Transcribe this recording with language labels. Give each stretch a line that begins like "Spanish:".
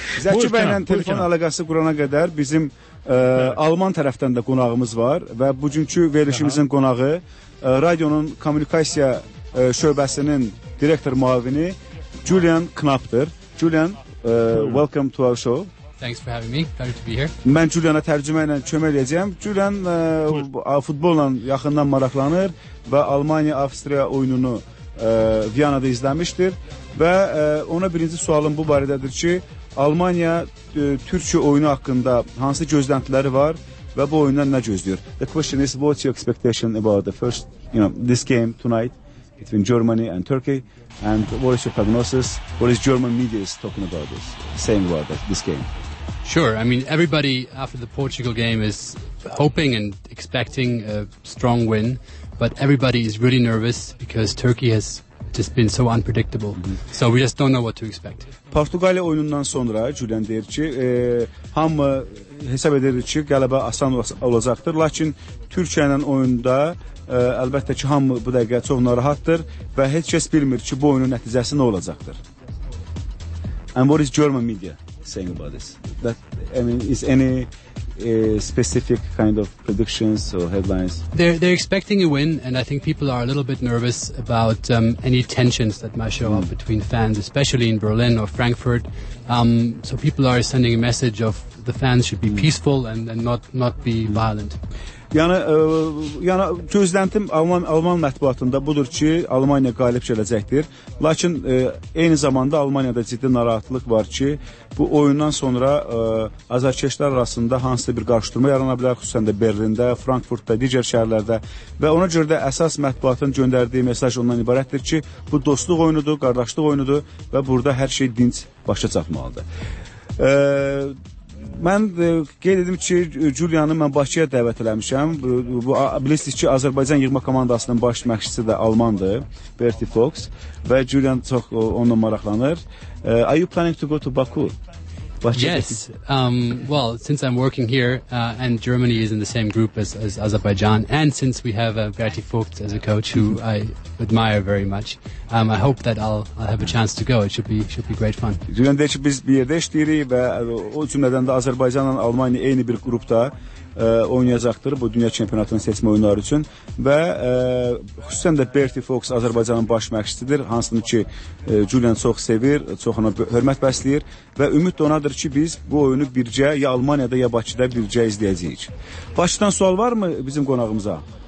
Azerbaijani: Zəki bəylə telefon əlaqəsi qurana qədər bizim Alman tərəfdən də qonağımız var və bugünkü verilişimizin qonağı radionun kommunikasiya şöbəsinin direktor müavini Julian Knapp'dır.
English: Julian, welcome to our show. Thanks for having me. Glad to be here.
Azerbaijani: Mən Julian'a tərcümə ilə kömək edəcəm. Julian futbolla yaxından maraqlanır və Almaniya-Avstriya oyununu Viyana'da izləmişdir və ona birinci sualım bu barədədir ki, Almaniya Türkiyə oyunu haqqında hansı gözləntiləri var və bu oyundan nə gözləyir?
English: The question is, what's your expectation about the first, you know, this game tonight between Germany and Turkey? And what is your prognosis? What is German media is talking about this, saying about this game? Sure. I mean, everybody after the Portugal game is hoping and expecting a strong win, but everybody is really nervous because Turkey has just been so unpredictable. So we just don't know what to expect.
Azerbaijani: Portugal oyunundan sonra Julian deyir ki, hamı hesab edir ki, qələbə asan olacaqdır, lakin Türkiyə ilə oyunda əlbəttə ki, hamı bu dəqiqə çox narahatdır və heç kəs bilmir ki, bu oyunun nəticəsi nə olacaqdır.
English: And what is German media saying about this? That, I mean, is any specific kind of predictions or headlines? They're expecting a win, and I think people are a little bit nervous about any tensions that might show up between fans, especially in Berlin or Frankfurt. So people are sending a message of the fans should be peaceful and not be violent.
Azerbaijani: Yəni gözləntim Alman mətbuatında budur ki, Almaniya qalib gələcəkdir. Lakin eyni zamanda Almaniyada ciddi narahatlıq var ki, bu oyundan sonra azarkeşlər arasında hansısa bir qarşıdurma yarana bilər, xüsusən də Berlində, Frankfurtda, digər şəhərlərdə. Və ona görə də əsas mətbuatın göndərdiyi mesaj ondan ibarətdir ki, bu dostluq oyunudur, qardaşlıq oyunudur və burada hər şey dinç başa çatmalıdır. Mən qeyd edim ki, Julianı mən Bakıya dəvət eləmişəm. Bu bilirsiniz ki, Azərbaycan yığma komandasının baş məşqçisi də Almandır, Bertie Fox və Julian çox onunla maraqlanır.
English: Are you planning to go to Baku? Yes. Well, since I'm working here and Germany is in the same group as Azerbaijan, and since we have Bertie Vogt as a coach who I admire very much, I hope that I'll have a chance to go. It should be great fun.
Azerbaijani: Julian deyir ki, biz bir yerdə işləyirik və o cümlədən də Azərbaycanla Almaniya eyni bir qrupda oynayacaqdır bu dünya çempionatının seçmə oyunları üçün və xüsusən də Bertie Fox Azərbaycanın baş məşqçisidir, hansını ki Julian çox sevir, çox ona hörmət bəsləyir və ümid də onadır ki biz bu oyunu bircə ya Almaniyada ya Bakıda bircə izləyəcəyik. Bakıdan sual var mı bizim qonağımıza?